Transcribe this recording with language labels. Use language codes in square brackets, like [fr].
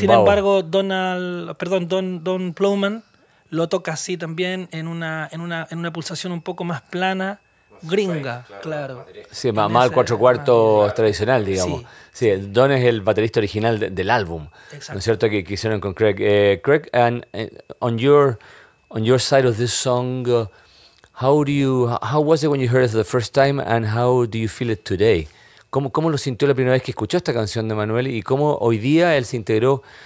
[es] Sin embargo, Don Plowman lo toca así también en una pulsación un poco más plana. Gringa, claro. Sí, más el cuatro cuartos tradicional, digamos. Sí, Don es el baterista original del álbum. Exacto. ¿No es cierto? Que hicieron con Craig. [en] Craig, and on your side of this song, how was it when you heard it the first time and how do you feel it today? [es] ¿Cómo lo sintió la primera vez que escuchó esta canción de Manuel y cómo hoy día él se integró?